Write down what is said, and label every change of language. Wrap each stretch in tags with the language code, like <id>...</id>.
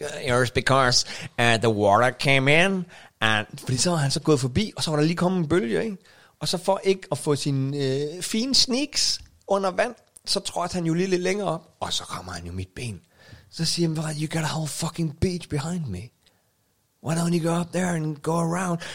<en>It's because the water came in.</en> <da>Fordi så var han så gået forbi, og så var der lige kommet en bølge, ikke? Og så for ikke at få sine fine sneaks under vand, så trådte han jo lige lidt længere op. Og så rammer han jo mit ben. Så siger han,</da> <en>you got a whole fucking beach behind me. Why don't you go up there and go around?</en>